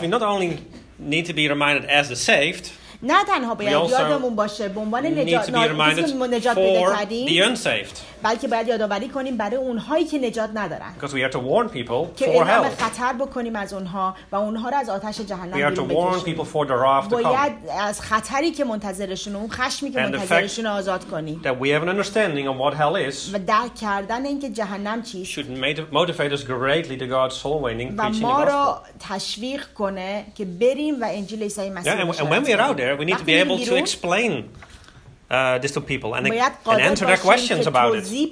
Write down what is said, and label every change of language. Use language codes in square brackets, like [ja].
[en] But we not only need to be reminded as the saved, [fa] نه تنها باید یادمون باشه به عنوان نجات پیدا کردیم، بلکه باید یادآوری کنیم برای اونهایی که نجات ندارن. [en] Because we have to warn people for [fa] که [en] hell. [fa] که خطر بکنیم از اونها و اونها را از آتش جهنم بیرون بکشیم. [en] We have to warn people for the wrath to come. [fa] باید از خطری که منتظرشون اون خشمی که منتظرشون آزاد کنیم. [en] That we have an understanding of what hell is. [fa] و درک کردن اینکه جهنم چیست. [en] Should motivate us greatly to God's soul winning preaching the [fa] gospel. و ما را تشویق کنه که بریم و انجیل عیسی مسیح. [en] Yeah, and when we are out there, we need to be able to explain this to people and answer their questions about it.